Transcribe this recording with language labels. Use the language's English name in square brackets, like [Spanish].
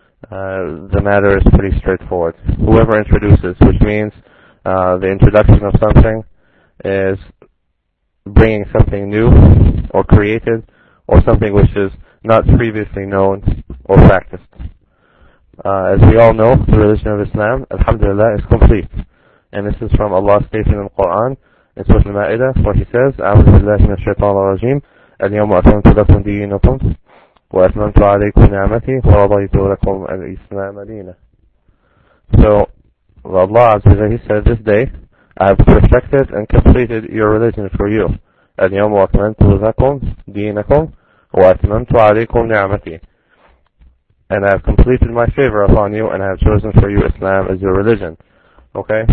[English] The matter is pretty straightforward. Whoever introduces, which means the introduction of something, is bringing something new or created or something which is not previously known or practiced. As we all know, the religion of Islam, alhamdulillah, is complete. And this is from Allah's statement in the Quran, in Surah Al-Ma'idah, where He says, [Arabic] أَعُوذُ بِاللَّهِ مِنَ الشَّيْطَانِ الرَّجِيمِ الْيَوْمَ أَتْمَمْتُ لَكُمْ دِينَكُمْ وَأَتْمَمْتُ عَلَيْكُمْ نِعْمَتِي وَرَضَيْتُ لَكُمْ الْإِسْلَامَ دِينًا. [English] So, Allah Azza wa Jalla said, this day, I have perfected and completed your religion for you. [Arabic] الْيَوْمَ أَتْمَمْتُ لَكُمْ دِينَكُمْ وَأَتْمَمْتُ عَلَيْكُمْ نِعْمَتِي. [English] And I have completed my favor upon you, and I have chosen for you Islam as your religion. Okay?